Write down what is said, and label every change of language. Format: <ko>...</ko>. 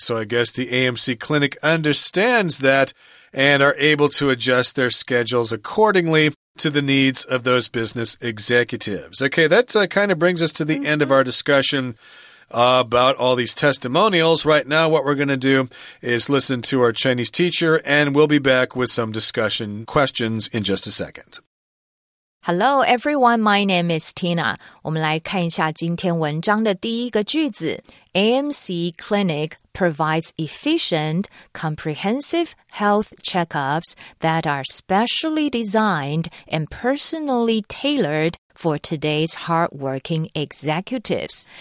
<en>So I guess the AMC clinic understands that and are able to adjust their schedules accordingly to the needs of those business executives. Okay, that kind of brings us to the end of our discussion about all these testimonials. Right now, what we're going to do is listen to our Chinese teacher, and we'll be back with some discussion questions in just a second. Hello, everyone. My name is Tina.</en> <zh>我们来看一下今天文章的第一个句子。</zh> <en>AMC Clinic provides efficient, comprehensive health checkups that are specially designed and personally tailored for today's hardworking executives.</en>